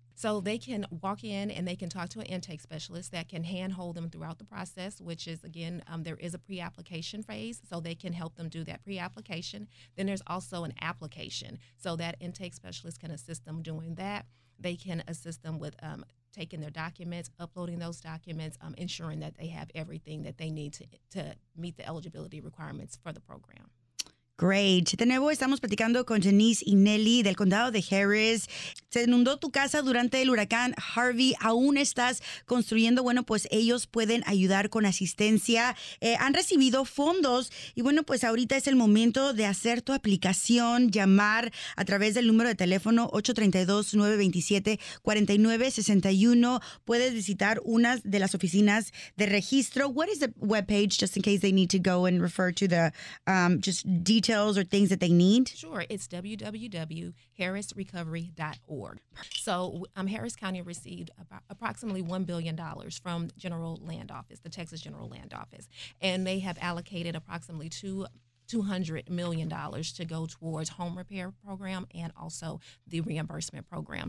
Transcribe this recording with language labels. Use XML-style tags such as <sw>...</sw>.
<en>So they can walk in and they can talk to an intake specialist that can handhold them throughout the process, which is, again, there is a pre-application phase, so they can help them do that pre-application. Then there's also an application, so that intake specialist can assist them doing that. They can assist them with taking their documents, uploading those documents, ensuring that they have everything that they need to meet the eligibility requirements for the program. Great.</en> <es>De nuevo, estamos platicando con Janice y Nelly del condado de Harris. Se inundó tu casa durante el huracán Harvey. Aún estás construyendo. Bueno, pues ellos pueden ayudar con asistencia. Han recibido fondos. Y bueno, pues ahorita es el momento de hacer tu aplicación, llamar a través del número de teléfono 832-927-4961. Puedes visitar una de las oficinas de registro.</es> <en>What is the webpage, just in case they need to go and refer to the just details or things that they need? Sure, it's www.harrisrecovery.org. So Harris County received approximately $1 billion from General Land Office, the Texas General Land Office, and they have allocated approximately $200 million to go towards home repair program and also the reimbursement program.</en>